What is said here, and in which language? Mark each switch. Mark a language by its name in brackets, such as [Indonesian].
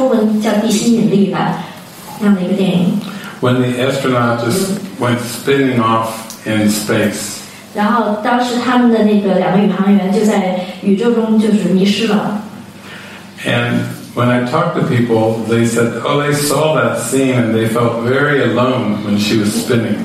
[Chinese] 就几年前的时候,我印象中我看到这样的一个电影,好像中文叫《地心引力》吧,那样的一个电影。 [English] When the astronaut just went spinning off in space. [Chinese] 然后当时他们的那个两个宇航员就在宇宙中就是迷失了。And [English] when I talked to people, they said, oh, they saw that scene and they felt very alone when she was spinning.